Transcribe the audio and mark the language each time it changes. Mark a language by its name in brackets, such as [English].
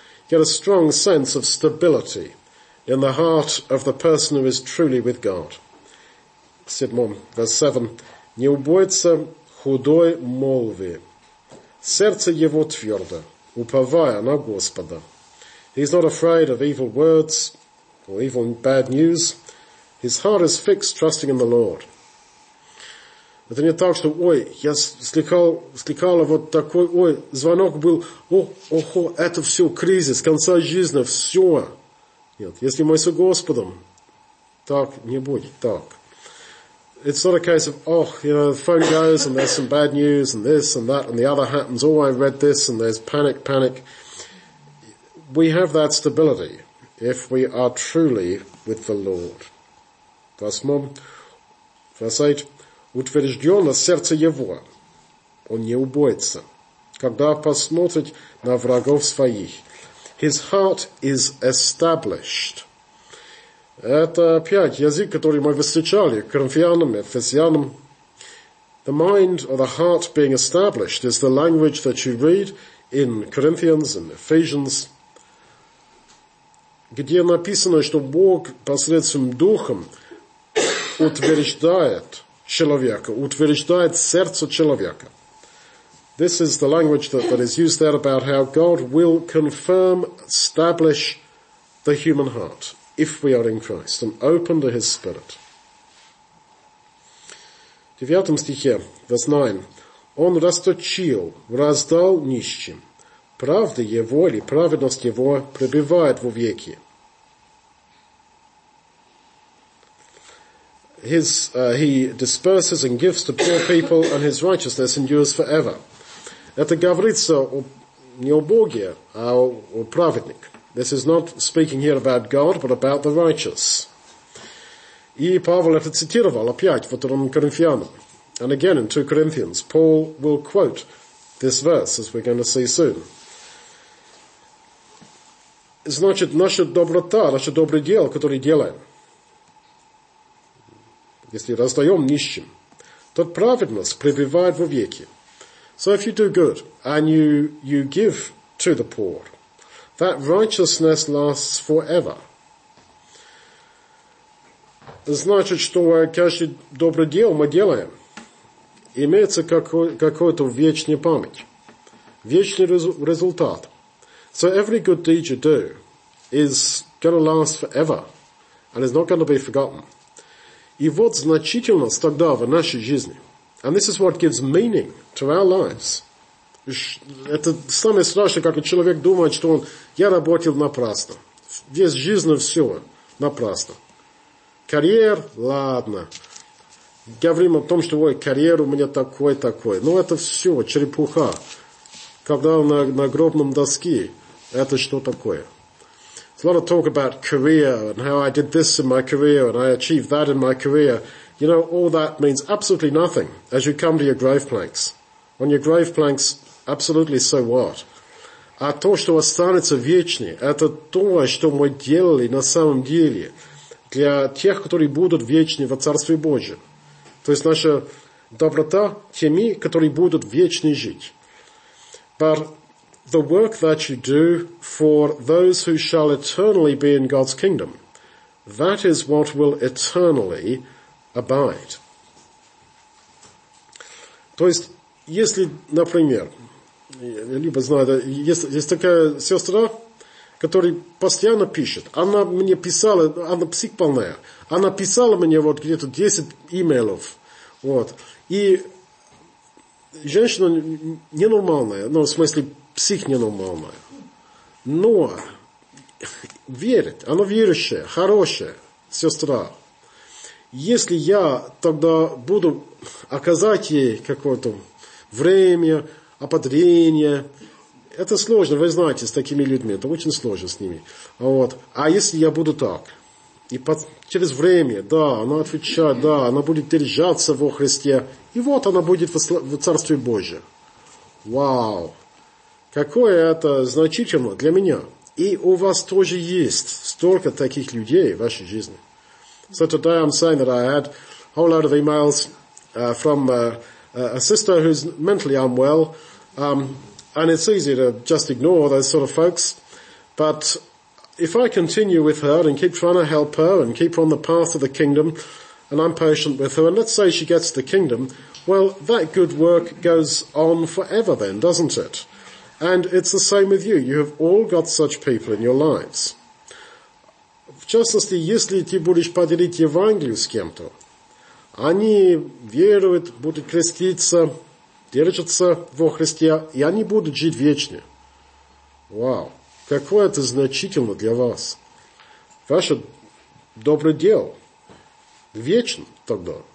[English] Get a strong sense of stability in the heart of the person who is truly with God. [Russian] 7, [English] verse 7, [Russian] не убоится худой молви, сердце его твердо, уповая на Господа. [English] He's not afraid of evil words or evil bad news. His heart is fixed, trusting in the Lord. [Russian] Это не так, что, ой, я слыхал вот такой, ой, звонок был, о, это все кризис, конца жизни, все. Нет, если мы с Господом, так не будет, так. [English] It's not a case of, oh, you know, the phone goes and there's some bad news and this and that and the other happens, oh, I read this and there's panic. We have that stability if we are truly with the Lord. Verse 8. [Russian] Утверждено сердце его, он не убоится, когда посмотрит на врагов своих. [English] His heart is established. [Russian] Это опять язык, который мы встречали Коринфянам, Ефесянам. [English] The mind or the heart being established is the language that you read in Corinthians and Ephesians. [Russian] Где написано, что Бог посредством Духом утверждает человека, утверждает сердце человека. [English] This is the language that is used there about how God will confirm, establish the human heart if we are in Christ and open to his spirit. [Russian] В 9 стихе, [English] verse 9, [Russian] он расточил, раздал нищим. Правда его или праведность его пребывает вовеки. [English] He disperses and gives to poor people, and his righteousness endures forever. [Russian] Это говорится не о Боге, а о праведнике. [English] This is not speaking here about God, but about the righteous. [Russian] И Павел это цитировал опять в втором Коринфянам. [English] And again in 2 Corinthians, Paul will quote this verse, as we're going to see soon. [Russian] Значит, наша доброта, наше доброе дело, которое делаем, если раздаем нищим, то праведность пребывает вовеки. [English] So if you do good and you give to the poor, that righteousness lasts forever. [Russian] Значит, что каждое доброе дело мы делаем, имеется какой-то вечная память, вечный результат. [English] So every good deed you do is going to last forever and is not going to be forgotten. [Russian] И вот значительность тогда в нашей жизни. [English] And this is what gives meaning to our lives. [Russian] Это самое страшное, как человек думает, что он, я работал напрасно. Весь жизнь все напрасно. Карьер, ладно. Говорим о том, что, ой, карьер у меня такой. Но это все черепуха. Когда на гробном доске Это что такое? [English] It's a lot of talk about career and how I did this in my career and I achieved that in my career. You know, all that means absolutely nothing as you come to your grave planks. On your grave planks, absolutely so what? [Russian] А то, что останется вечнее, это то, что мы делали на самом деле для тех, которые будут вечны во Царстве Божьем. То есть наша доброта теми, которые будут вечно жить. [English] But the work that you do for those who shall eternally be in God's kingdom, that is what will eternally abide. [Russian] То есть, если, например, я либо знаю, да, есть такая сестра, которая постоянно пишет. Она мне писала, она псих полная. Она писала мне вот где-то 10 имейлов. Вот. И женщина ненормальная, ну, в смысле, псих ненормальная. Но верит, она верующая, хорошая сестра. Если я тогда буду оказать ей какое-то время, ободрение, это сложно, вы знаете, с такими людьми, это очень сложно с ними. Вот. А если я буду так? И через время, да, она отвечает, да, она будет держаться во Христе, и вот она будет в Царстве Божьем. Вау! Какое это значительно для меня. И у вас тоже есть столько таких людей в вашей жизни. [English] So today I'm saying that I had a whole lot of emails from a sister who's mentally unwell, and it's easy to just ignore those sort of folks, but if I continue with her and keep trying to help her and keep her on the path of the kingdom and I'm patient with her and let's say she gets the kingdom, well, that good work goes on forever then, doesn't it? And it's the same with you. You have all got such people in your lives. [Russian] В частности, если ты будешь поделить Евангелие с кем-то, они веруют, будут креститься, держатся во Христе, и они будут жить вечно. Вау! Какое это значительно для вас. Ваше доброе дело вечно тогда.